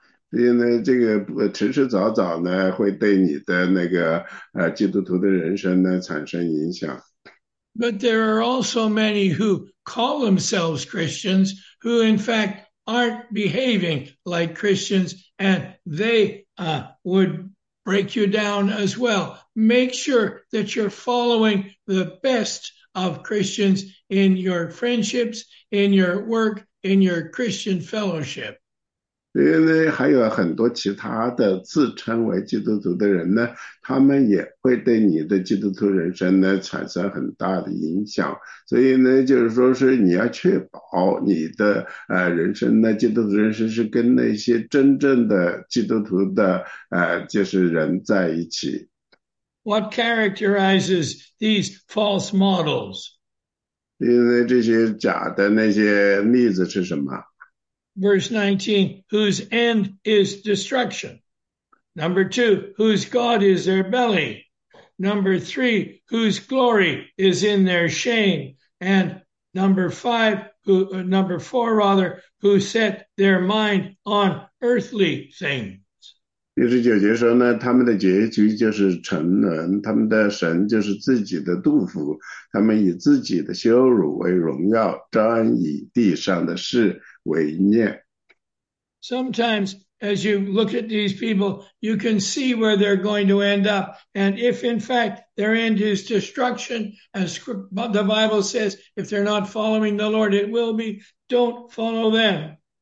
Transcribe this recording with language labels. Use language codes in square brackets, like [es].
[zh] 所以呢，这个迟迟早早呢会对你的那个基督徒的人生呢产生影响。 [en] But there are also many who call themselves Christians who, in fact, aren't behaving like Christians, and they would break you down as well. Make sure that you're following the best of Christians in your friendships, in your work, in your Christian fellowship. [zh] 因为还有很多其他的自称为基督徒的人呢，他们也会对你的基督徒人生呢产生很大的影响。所以呢，就是说是你要确保你的人生呢，基督徒人生是跟那些真正的基督徒的就是人在一起。 [en] What characterizes these false models? [zh] 因为这些假的那些例子是什么？ [en] verse 19, whose end is destruction. Number two, whose God is their belly. Number three, whose glory is in their shame. And number four, who set their mind on earthly things. [zh] 第十九节说呢，他们的结局就是沉沦，他们的神就是自己的肚腹，他们以自己的羞辱为荣耀，专以地上的事为念。 [en] Sometimes, as you look at these people, you can see where they're going to end up. And if, in fact, their end is destruction, as the Bible says, if they're not following the Lord, it will be, don't follow them.